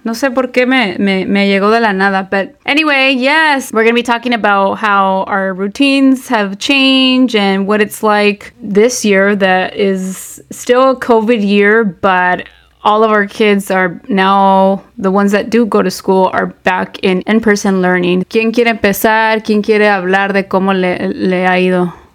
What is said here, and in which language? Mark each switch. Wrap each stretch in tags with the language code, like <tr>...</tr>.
<es>No sé por qué me llegó de la nada.</es> <en>But anyway, yes, we're going to be talking about how our routines have changed and what it's like this year that is still a COVID year, but all of our kids are now, the ones that do go to school, are back in in-person learning.</en> <es>¿Quién quiere empezar? ¿Quién quiere hablar de cómo le ha ido?</es>